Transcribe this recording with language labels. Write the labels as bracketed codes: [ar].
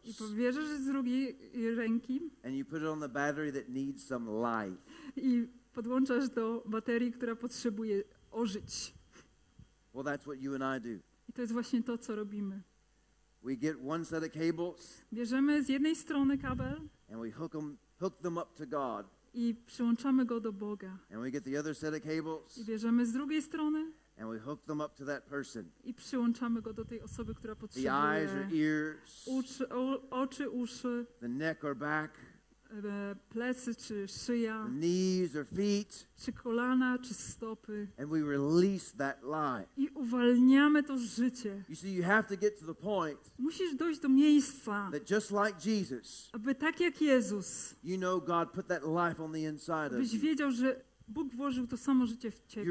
[pl] i pobierzesz z drugiej ręki, [en] and you put it on the battery that needs some life, [pl] i podłączasz do baterii, która potrzebuje ożyć. [en] Well, that's what you and I do. [pl] I to jest właśnie to, co robimy. [en] We get one set of cables, [pl] bierzemy z jednej strony kabel, [en] and we hook them up to God, [pl] i przyłączamy go do Boga. [en] And we get the other set of cables, [pl] i bierzemy z drugiej strony, [en] and we hook them up to that person, [pl] i przyłączamy go do tej osoby, która potrzebuje. [en] The eyes or ears, [pl] oczy, uszy, [en] the neck or back, [pl] plecy czy szyja, [en] knees or feet, [pl] czy kolana, czy stopy, [en] and we release that life. [pl] I uwalniamy to życie. [en] You see, you have to get to the point, [pl] musisz dojść do miejsca, [en] that just like Jesus, [pl] aby tak jak Jezus, [en] you know God put that life on the inside of you. [pl] Byś wiedział, że Bóg włożył to samo życie w ciebie.